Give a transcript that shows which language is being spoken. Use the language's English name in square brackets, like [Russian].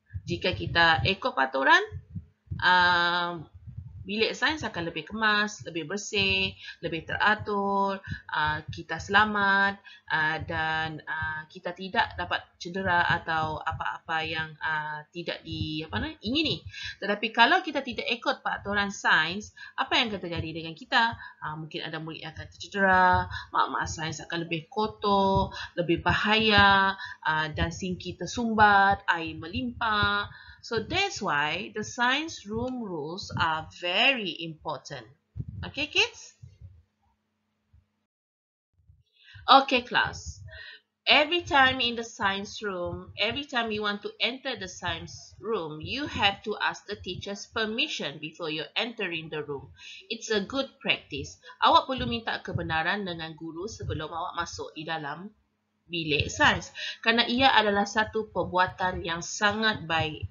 [Malay] Jika kita ikut peraturan, bilik sains akan lebih kemas, lebih bersih, lebih teratur, kita selamat dan kita tidak dapat cedera atau apa-apa yang tidak diingini. Tetapi kalau kita tidak ikut peraturan sains, apa yang akan terjadi dengan kita? Mungkin ada murid yang akan tercedera, mak-mak sains akan lebih kotor, lebih bahaya dan sinki tersumbat, air melimpah. [English] So that's why the science room rules are very important. Okay, kids? Okay, class. Every time in the science room, every time you want to enter the science room, you have to ask the teacher's permission before you enter in the room. It's a good practice. [Malay] Awak perlu minta kebenaran dengan guru sebelum awak masuk di dalam bilik sains. Kerana ia adalah satu perbuatan yang sangat baik.